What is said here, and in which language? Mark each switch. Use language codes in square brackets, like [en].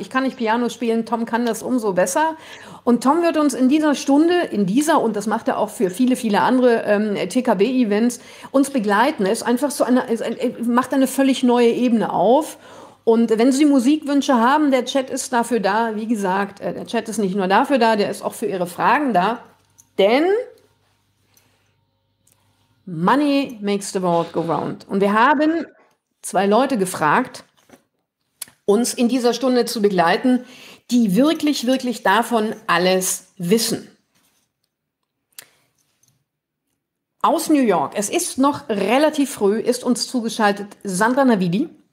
[de] Ich kann nicht Piano spielen, Tom kann das umso besser. Und Tom wird uns in dieser Stunde, in dieser, und das macht er auch für viele, viele andere TKB-Events, uns begleiten. Er ist einfach so eine, macht eine völlig neue Ebene auf. Und wenn Sie Musikwünsche haben, der Chat ist dafür da. Wie gesagt, der Chat ist nicht nur dafür da, der ist auch für Ihre Fragen da. Denn [en] Money makes the world go round. [de] Und wir haben zwei Leute gefragt, uns in dieser Stunde zu begleiten, die wirklich, wirklich davon alles wissen. Aus New York, es ist noch relativ früh, ist uns zugeschaltet Sandra Navidi.